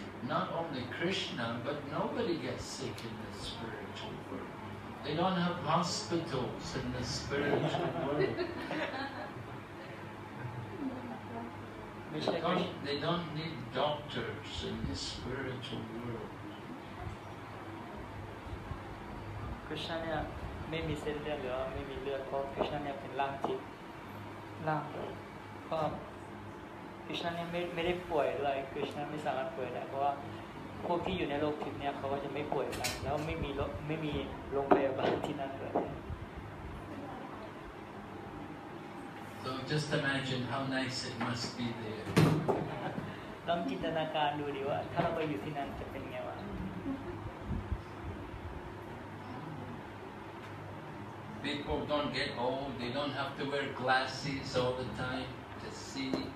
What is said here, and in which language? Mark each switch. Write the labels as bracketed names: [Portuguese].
[English] Not only Krishna, but nobody gets sick in the spiritual world. They don't have hospitals in the spiritual world. They don't need doctors in the spiritual world. [Thai] Krishna เนี่ย ไม่มีเส้นเลือดหรือไม่มีเลือดเพราะคริชนาเนี่ยเป็นร่างทิพย์ร่างเพราะคริชนาเนี่ยไม่ได้ป่วยเลยคริชนาไม่สามารถป่วยได้เพราะว่าพวกที่อยู่ในโลกทิพย์เนี่ยเขาก็จะไม่ป่วยแล้วไม่มีโรคพยาบาลที่นั่นเลย [English] So just imagine how nice it must be there [Thai] ลองจินตนาการดูดิว่าถ้าเราไปอยู่ที่นั่นจะเป็นไงวะ [English] People don't get old, they don't have to wear glasses all the time to see.